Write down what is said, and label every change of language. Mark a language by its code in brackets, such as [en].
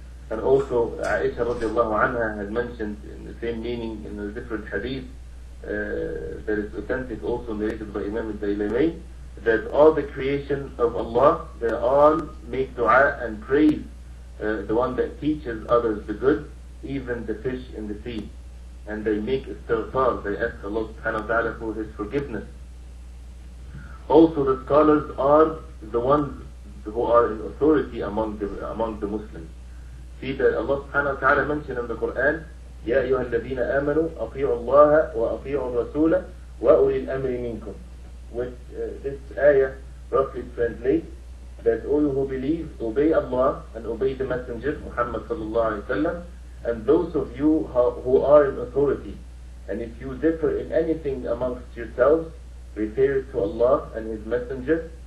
[en] And also, Aisha radiallahu anha had mentioned in the same meaning in a different hadith that is authentic, also narrated by Imam al-Daylami, that all the creation of Allah, they all make dua and praise the one that teaches others the good, even the fish in the sea. And they make istighfar, they ask Allah subhanahu wa ta'ala for His forgiveness. Also, the scholars are the ones who are in authority among the Muslims. See that Allah subhanahu wa ta'ala mentioned in the Quran [ar] يا أيها الذين آمنوا أطيعوا الله وأطيعوا الرسول وأولي الأمر منكم. [en] With this ayah roughly translates that all who believe obey Allah and obey the Messenger Muhammad sallallahu alaihi wasallam, and those of you who are in authority, and if you differ in anything amongst yourselves, refer to Allah and His Messenger.